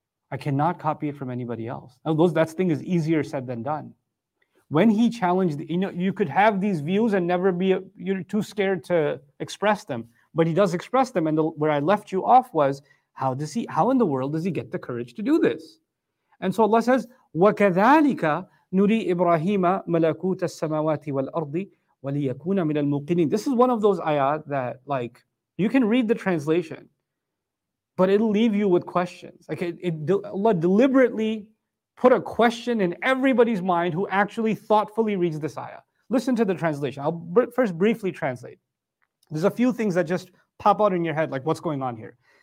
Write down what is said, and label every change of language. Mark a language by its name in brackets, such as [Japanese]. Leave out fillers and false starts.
[English] I cannot copy it from anybody else. Now, that thing is easier said than done. When He challenged, you know, you could have these views and never be, you're too scared to express them. But He does express them. And where I left you off was, how in the world does He get the courage to do this? And so Allah says, [Arabic] وَكَذَلِكَ نُرِي إِبْرَاهِيمَ مَلَكُوتَ السَّمَاوَاتِ وَالْأَرْضِ وَلِيَكُونَ مِنَ الْمُقِنِينَ. [English] This is one of those ayat that, like, you can read the translation, but it'll leave you with questions. Like Allah deliberately put a question in everybody's mind who actually thoughtfully reads this ayah. Listen to the translation. I'll first briefly translate. There's a few things that just pop out in your head, like what's going on here.